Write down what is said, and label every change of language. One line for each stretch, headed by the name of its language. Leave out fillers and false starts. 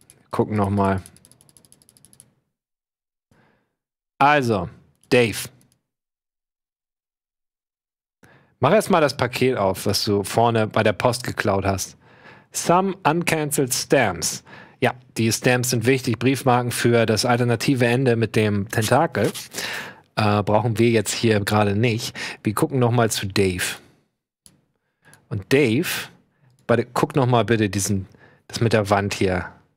German: Gucken noch mal. Also, Dave. Mach erst mal das Paket auf, was du vorne bei der Post geklaut hast.
English: Some uncancelled stamps.
German: Ja, die Stamps sind wichtig. Briefmarken für das alternative Ende mit dem Tentakel. Brauchen wir jetzt hier gerade nicht. Wir gucken noch mal zu Dave. Und Dave, bitte, guck noch mal bitte diesen, das mit der Wand hier.